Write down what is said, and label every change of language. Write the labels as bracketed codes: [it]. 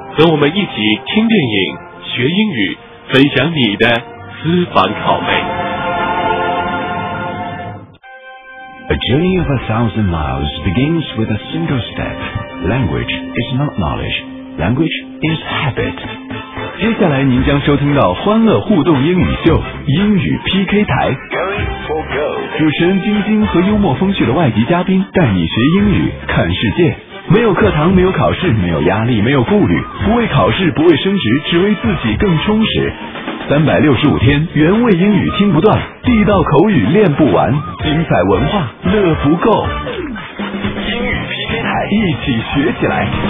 [zh] 和我们一起听电影，学英语，分享你的私房拷贝。 [en] A journey of 1,000 miles begins with a single step. Language is not knowledge. Language. Is habit. [zh] 接下来您将收听到欢乐互动英语秀英语 PK 台 主持人晶晶和幽默风趣的外籍嘉宾带你学英语看世界没有课堂没有考试没有压力没有顾虑不为考试不为升职只为自己更充实365天原味英语听不断地道口语练不完精彩文化乐不够英语 PK 台一起学起来